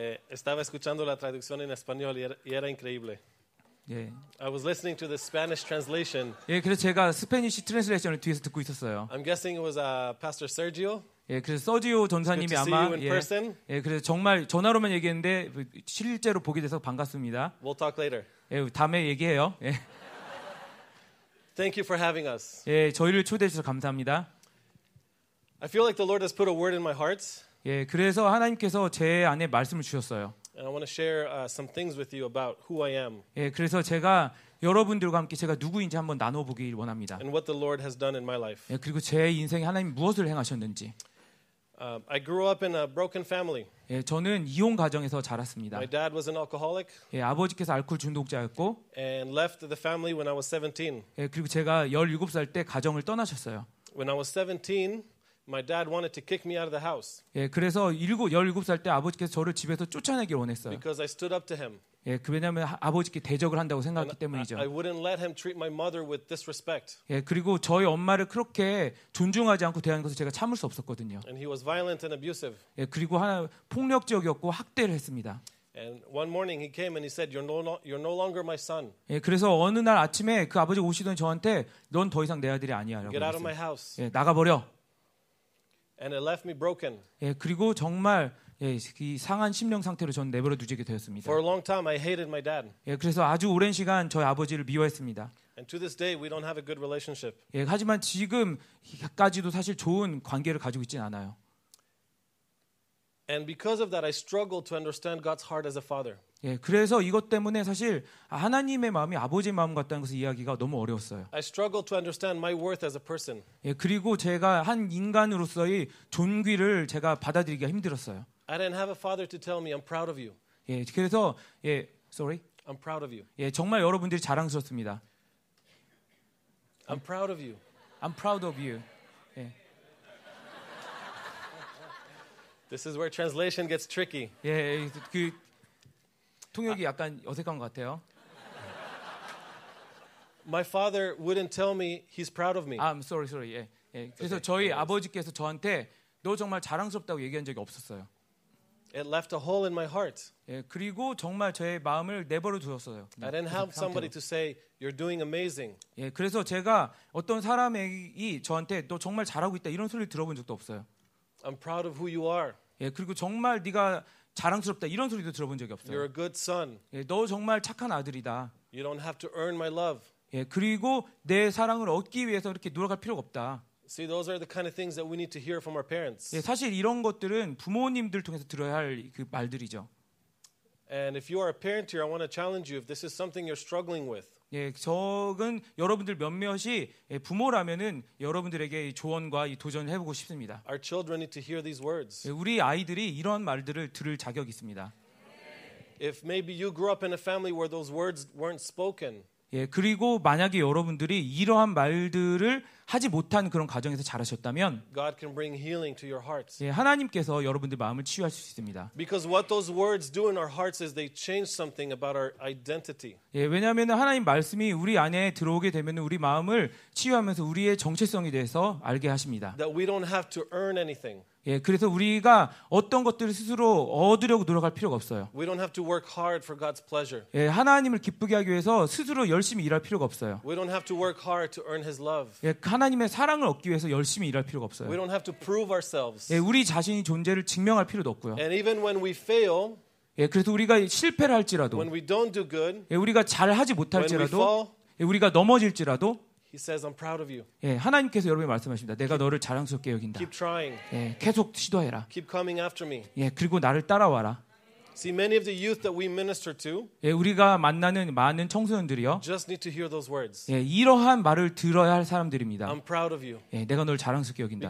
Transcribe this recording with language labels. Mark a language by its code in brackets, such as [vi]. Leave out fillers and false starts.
[es] Estaba escuchando la traducción en español y era increíble. [en] Yeah. I was listening to the Spanish translation. [ko] 예, 그래서 제가 스페니시 트랜슬레이션을 뒤에서 듣고 있었어요. [en] I'm guessing it was Pastor Sergio. [ko] 예, 그래서 서지오 전사님이 아마 예, 그래서 정말 전화로만 얘기했는데 실제로 보게 돼서 반갑습니다. [en] We'll talk later. [ko] 예, 다음에 얘기해요. 예. [en] Thank you for having us. [ko] 예, 저희를 초대해 주셔서 감사합니다. [en] I feel like the Lord has put a word in my heart. [ko] 예, 그래서 하나님께서 제 안에 말씀을 주셨어요. [en] And I want to share some things with you about who I am. [ko] 예, 그래서 제가 여러분들과 함께 제가 누구인지 한번 나눠 보길 원합니다. [en] And what the Lord has done in my life. [ko] 예, 그리고 제 인생에 하나님 무엇을 행하셨는지. [en] I grew up in a broken family. [ko] 예, 저는 이혼 가정에서 자랐습니다. [en] My dad was an alcoholic. [ko] 예, 아버지께서 알코올 중독자였고. [en] And left the family when I was 17. [ko] 예, 그리고 제가 17살 때 가정을 떠나셨어요. [en] When I was 17, my dad wanted to kick me out of the house. [ko] 예, 그래서 17살 때 아버지께서 저를 집에서 쫓아내기를 원했어요. [en] Because I stood up to him. [ko] 예, 그 왜냐면 아버지께 대적을 한다고 생각했기 때문이죠. [en] I wouldn't let him treat my mother with disrespect. [ko] 예, 그리고 저희 엄마를 그렇게 존중하지 않고 대하는 것을 제가 참을 수 없었거든요. [en] And he was violent and abusive. [ko] 예, 그리고 하나 폭력적이었고 학대를 했습니다. [en] And one morning he came and he said, "You're no longer my son." [ko] 예, 그래서 어느 날 아침에 그 아버지 오시더니 저한테 넌 더 이상 내 아들이 아니야. [en] Get out of my house. [ko] 예, 나가버려. [en] And it left me broken. [ko] 예, 그리고 정말 예, 이 상한 심령 상태로 저는 내버려 두지게 되었습니다. [en] For a long time, I hated my dad. [ko] 예, 그래서 아주 오랜 시간 저희 아버지를 미워했습니다. [en] And to this day, we don't have a good relationship. [ko] 예, 하지만 지금까지도 사실 좋은 관계를 가지고 있지는 않아요. [en] And because of that, I struggle to understand God's heart as a father. [ko] 예, 그래서 이것 때문에 사실 하나님의 마음이 아버지 마음 같다는 것을 이해하기가 너무 어려웠어요. [en] I struggle to understand my worth as a person. [ko] 예, 그리고 제가 한 인간으로서의 존귀를 제가 받아들이기가 힘들었어요. [en] I didn't have a father to tell me I'm proud of you. [ko] 예, 그래서 예, [en] sorry. I'm proud of you. [ko] 예, 정말 여러분들이 자랑스럽습니다. [en] I'm proud of you. I'm proud of you. 예. This is where translation gets tricky. [ko] 예, 그 통역이 약간 어색한 것 같아요. [en] My father wouldn't tell me he's proud of me. I'm sorry, sorry. [ko] 예, 예. 그래서 [en] okay. [ko] 저희 아버지께서 저한테 너 정말 자랑스럽다고 얘기한 적이 없었어요. [en] It left a hole in my heart. [ko] 예, 그리고 정말 제 마음을 내버려 두었어요. [en] I didn't have somebody to say you're doing amazing. [ko] 예, 그래서 제가 어떤 사람이 저한테 너 정말 잘하고 있다 이런 소리를 들어본 적도 없어요. [en] I'm proud of who you are. [ko] 예, 그리고 정말 네가 자랑스럽다 이런 소리도 들어본 적이 없어요. [en] You're a good son. [ko] 예, 너 정말 착한 아들이다. [en] You don't have to earn my love. [ko] 예, 그리고 내 사랑을 얻기 위해서 이렇게 노력할 필요가 없다. [en] See, those are the kind of things that we need to hear from our parents. [ko] 예, 사실 이런 것들은 부모님들 통해서 들어야 할 그 말들이죠. [en] And if you are a parent here, I want to challenge you if this is something you're struggling with. [ko] 예, 저는 여러분들 몇몇이 부모라면은 여러분들에게 조언과 도전을 해보고 싶습니다. [en] Our children need to hear these words. [ko] 예, 우리 아이들이 이런 말들을 들을 자격이 있습니다. [en] If maybe you grew up in a family where those words weren't spoken. [ko] 예, 그리고 만약에 여러분들이 이러한 말들을 하지 못한 그런 가정에서 자라셨다면 [en] God can bring healing to your hearts. [ko] 예, 하나님께서 여러분들 마음을 치유할 수 있습니다. [en] Because what those words do in our hearts is they change something about our identity. [ko] 예, 왜냐하면 하나님 말씀이 우리 안에 들어오게 되면 우리 마음을 치유하면서 우리의 정체성에 대해서 알게 하십니다. [en] That we don't have to earn anything. [ko] 예, 그래서 우리가 어떤 것들을 스스로 얻으려고 노력할 필요가 없어요. [en] We don't have to work hard for God's pleasure. [ko] 예, 하나님을 기쁘게 하기 위해서 스스로 열심히 일할 필요가 없어요. [en] We don't have to work hard to earn His love. [ko] 예, 하나님의 사랑을 얻기 위해서 열심히 일할 필요가 없어요. [en] We don't have to prove ourselves. [ko] 예, 우리 자신이 존재를 증명할 필요도 없고요. [en] And even when we fail, [ko] 예, 그래서 우리가 실패를 할지라도, [en] when we don't do good, [ko] 예, 우리가 잘하지 못할지라도, [en] when we fall, [ko] 예, 우리가 넘어질지라도. [en] He says, "I'm proud of you." [ko] 예, 하나님께서 여러분에게 말씀하십니다. 내가 너를 자랑스럽게 여긴다. [en] Keep trying. [ko] 예, 계속 시도해라. [en] Keep coming after me. [ko] 예, 그리고 나를 따라와라. [en] See, many of the youth that we minister to [ko] 예, 우리가 만나는 많은 청소년들이요. [en] Just need to hear those words. [ko] 예, 이러한 말을 들어야 할 사람들입니다. [en] I'm proud of you. [ko] 예, 내가 널 자랑스럽게 여긴다.